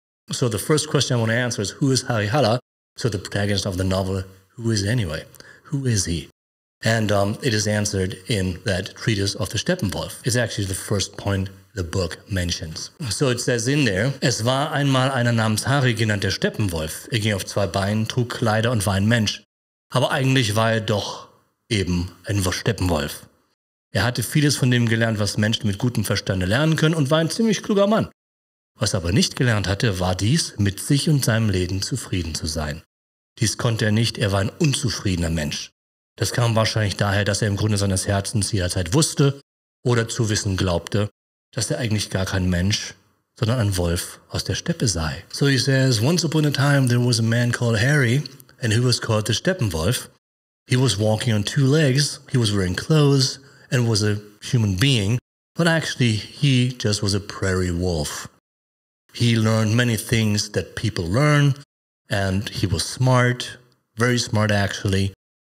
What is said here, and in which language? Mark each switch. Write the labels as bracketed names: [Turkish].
[English] So the first question I want to answer is, who is Harry Haller? So the protagonist of the novel, who is anyway? Who is he? And it is answered in that Treatise of the Steppenwolf. It's actually the first point the book mentions. So it says in there, [German] es war einmal einer namens Harry genannt der Steppenwolf. Er ging auf zwei Beinen, trug Kleider und war ein Mensch. Aber eigentlich war er doch eben ein Steppenwolf. Er hatte vieles von dem gelernt, was Menschen mit gutem Verstande lernen können und war ein ziemlich kluger Mann. Was er aber nicht gelernt hatte, war dies, mit sich und seinem Leben zufrieden zu sein. Dies konnte er nicht, er war ein unzufriedener Mensch. Das kam wahrscheinlich daher, dass er im Grunde seines Herzens jederzeit wusste oder zu wissen glaubte, dass er eigentlich gar kein Mensch, sondern ein Wolf aus der Steppe sei. [English] So he says, once upon a time there was a man called Harry, and he was called the Steppenwolf. He was walking on two legs, he was wearing clothes, and was a human being, but actually he just was a prairie wolf. He learned many things that people learn, and he was smart, very smart actually.